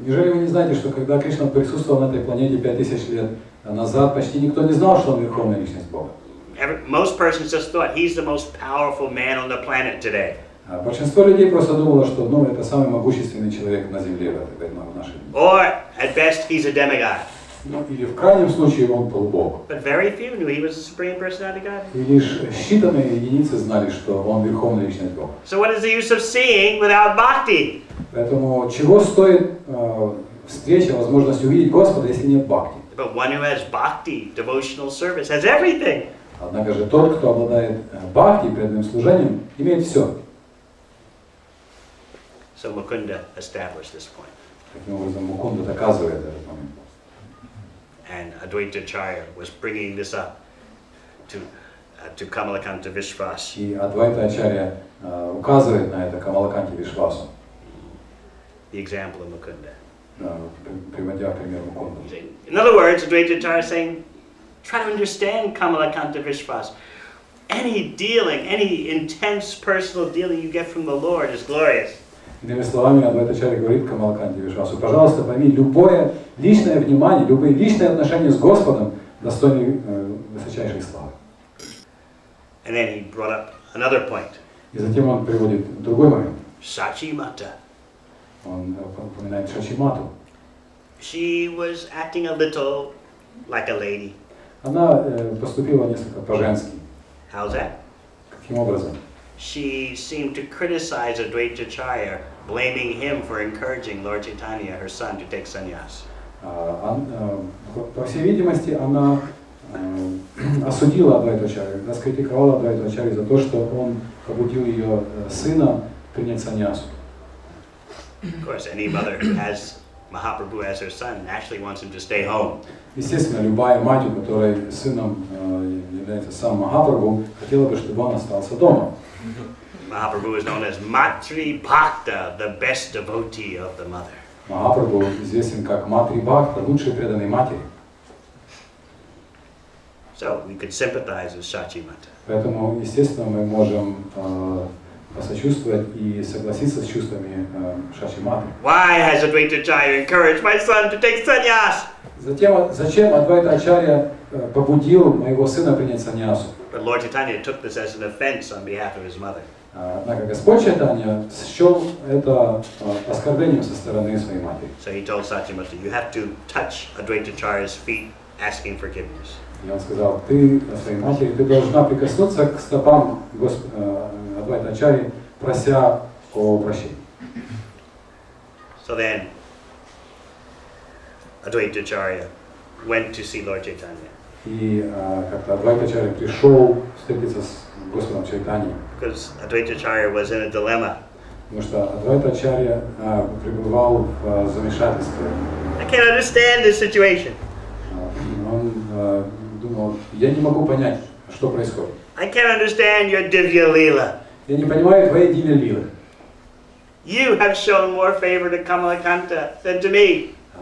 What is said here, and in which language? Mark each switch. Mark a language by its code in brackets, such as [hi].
[ru] Неужели вы не знаете, что когда Кришна присутствовал на этой планете 5,000 лет назад, почти никто не знал, что он Верховная Личность Бога? [en] Most persons just thought he's the most powerful man on the planet today. [ru] Большинство людей просто думало, что, ну, это самый могущественный человек на Земле, да, в наши дни. [en] Or, at best, he's a demigod. [ru] Ну, или в крайнем случае он полубог. [en] But very few knew he was the Supreme Personality of God. [ru] И лишь считанные единицы знали, что он Верховная Личность Бога. [en] So what is the use of seeing without bhakti? [ru] Поэтому чего стоит встреча, возможность увидеть Господа, если нет бхакти? [en] But one who has bhakti, devotional service, has everything. [ru] Однако же тот, кто обладает бхакти, преданным служением, имеет все. [en] So Mukunda established this point. [ru] Таким образом, Мукунда доказывает этот момент. [en] And Advaita Acharya was bringing this up to Kamalakanta Vishwas. [ru] И Адвайта Ачарья указывает на это Камалаканте Вишвасу. [en] The example of Mukunda. [ru] Приводя пример Мукунда. [en] In other words, Advaita Acharya saying, try to understand Kamalakanta Vishwas. Any dealing, any intense personal dealing you get from the Lord is glorious. [ru] Иными словами, Адвайта Ачарья говорит Камалаканте Вишвасу, пожалуйста, пойми, любое личное внимание, любые личные отношения с Господом достойны высочайшей славы. [en] And then he brought up another point. [ru] И затем он приводит другой момент. [en] Шачимата. [ru] Он упоминает Шачимату. [en] She was acting a little like a lady. [ru] Она поступила несколько по-женски. [en] How's that? [ru] Каким образом? [en] She seemed to criticize Advaita Acharya, blaming him for encouraging Lord Chaitanya, her son, to take sannyas. [ru] По всей видимости, она осудила Адвайту Ачарью, раскритиковала Адвайту Ачарью за то, что он побудил ее сына принять саньясу. [en] Of course, any mother who has Mahaprabhu as her son naturally wants him to stay home. [ru] Естественно, любая мать, у которой сыном является сам Махапрабху, хотела бы, чтобы он остался дома. [en] Mahaprabhu is known as Matri Bhakta, the best devotee of the mother. [ru] Mahaprabhu известен как Матри Бхакта, лучшей преданной матери. [en] So we could sympathize with Шачимата. [ru] Поэтому, естественно, мы можем посочувствовать и согласиться с чувствами Шачиматы. [en] Why has Advaita Acharya encouraged my son to take sannyas? [ru] Зачем Адвайта Ачарья побудил моего сына принять саньясу? [en] But Lord Chaitanya took this as an offense on behalf of his mother. [ru] Однако Господь Чайтанья счел это оскорблением со стороны своей матери. [en] So he told Шачимата, you have to touch Advaita Acharya's feet asking forgiveness. [ru] И он сказал, ты своей матери, ты должна прикоснуться к стопам Адвайта Ачарьи, прося о прощении. [en] So then, Advaita Acharya went to see Lord Chaitanya. [ru] И как-то Адвайта Ачарья пришел встретиться с Господом Чайтаньей. [en] Because Advaita Acharya was in a dilemma. [ru] Потому что Адвайта Ачарья пребывал в замешательстве. [en] I can't understand this situation. [ru] Он думал, я не могу понять, что происходит. [en] I can't understand your divya lila. [ru] Я не понимаю твоей дивья лилы. [en] You have shown more favor to Kamalakanta than to me.